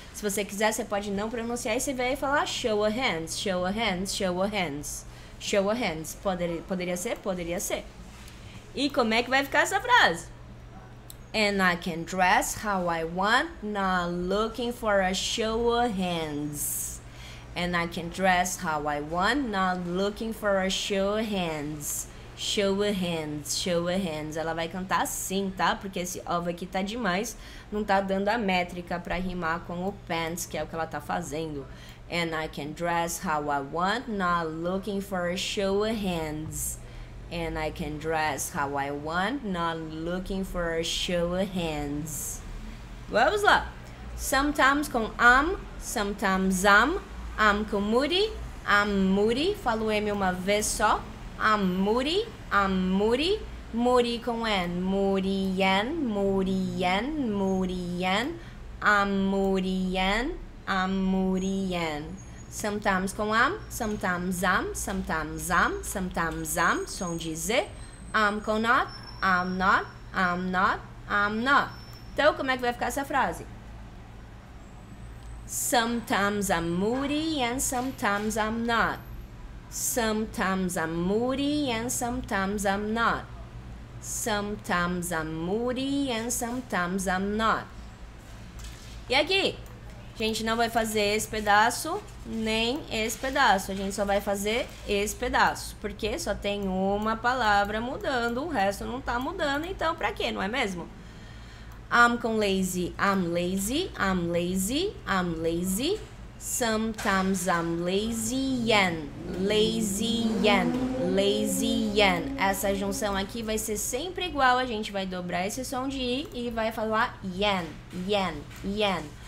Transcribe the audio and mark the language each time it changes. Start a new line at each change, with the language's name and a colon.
Portuguese: Se você quiser, você pode não pronunciar e você vai falar
English: show a hands, show a hands,
Portuguese: show a hands, show a hands. Poderia ser? Poderia ser. E como é que vai ficar essa frase?
English: And I can dress how I want, not looking for a show of hands. And I can dress how I want, not looking for a show of hands. Show of hands, show of hands.
Portuguese: Ela vai cantar assim, tá? Porque esse of aqui tá demais, não tá dando a métrica para rimar com o pants, que é o que ela tá fazendo.
English: And I can dress how I want, not looking for a show of hands. And I can dress how I want, not looking for a show of hands.
Portuguese: Vamos lá.
English: Sometimes com am, sometimes am com moody,
Portuguese: falo M uma vez só.
English: Am moody, moody com N, moody N, moody N, moody N, am moody N. Sometimes com am, sometimes am, sometimes am, sometimes am,
Portuguese: som de Z.
English: Am com not, am not, am not, am not.
Portuguese: Então, como é que vai ficar essa frase?
English: Sometimes I'm moody and sometimes I'm not. Sometimes I'm moody and sometimes I'm not. Sometimes I'm moody and sometimes I'm not.
Portuguese: E aqui? A gente não vai fazer esse pedaço nem esse pedaço. A gente só vai fazer esse pedaço. Porque só tem uma palavra mudando, o resto não tá mudando. Então, pra quê? Não é mesmo?
English: I'm com lazy, I'm lazy, I'm lazy, I'm lazy. Sometimes I'm
Portuguese: lazy yen, lazy yen, lazy yen. Essa junção aqui vai ser sempre igual. A gente vai dobrar esse som de i e vai falar
English: yen, yen, yen.